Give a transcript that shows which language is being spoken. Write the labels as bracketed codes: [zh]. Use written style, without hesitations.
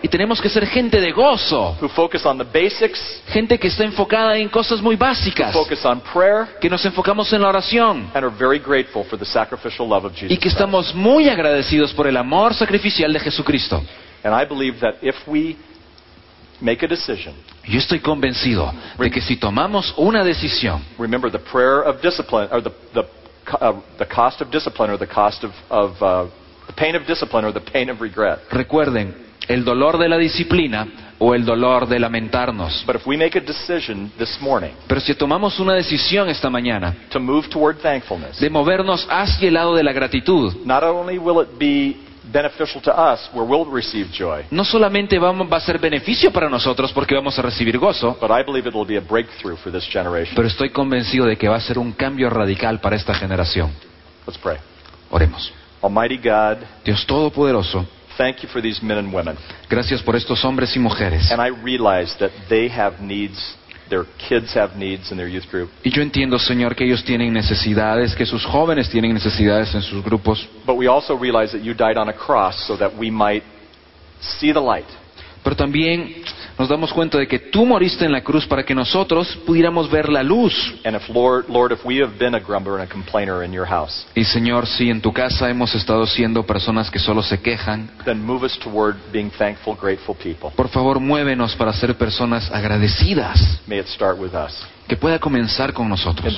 [es] Y tenemos que ser gente de gozo. [en] Who focus on the basics. [es] Gente que está enfocada en cosas muy básicas. [en] Who focus on prayer. [es] Que nos enfocamos en la oración. [en] And are very grateful for the sacrificial love of Jesus. [es] Y que estamos muy agradecidos por el amor sacrificial de Jesucristo. [en] And I believe that if we make a decision. [es] Yo estoy convencido de que si tomamos una decisión. [en] Remember the prayer of discipline or the cost of discipline or the cost of the pain of discipline or the pain of regret. [es] Recuerden el dolor de la disciplina o el dolor de lamentarnos. [en] But if we make a decision this morning. [es] Pero si tomamos una decisión esta mañana. [en] To move toward thankfulness. [es] De movernos hacia el lado de la gratitud. [en] Not only will it be beneficial to us, where we'll receive joy. [es] No solamente va a ser beneficio para nosotros porque vamos a recibir gozo. [en] But I believe it will be a breakthrough for this generation. [es] Pero estoy convencido de que va a ser un cambio radical para esta generación. [en] Let's pray. [es] Oremos. [en] Almighty God. [es] Dios todopoderoso. [en] Thank you for these men and women. [es] Gracias por estos hombres y mujeres. [en] And I realize that they have needs. Their kids have needs in their youth group. [es] Y yo entiendo, Señor, que ellos tienen necesidades, que sus jóvenes tienen necesidades en sus grupos. [en] But we also realize that you died on a cross so that we might see the light. [es] Pero también nos damos cuenta de que tú moriste en la cruz para que nosotros pudiéramos ver la luz. [en] And if Lord, if we have been a grumbler and a complainer in your house. [es] Y Señor, si en tu casa hemos estado siendo personas que solo se quejan. [en] Then move us toward being thankful, grateful people. [es] Por favor, muévenos para ser personas agradecidas. [en] May it start with us. [es] Que pueda comenzar con nosotros.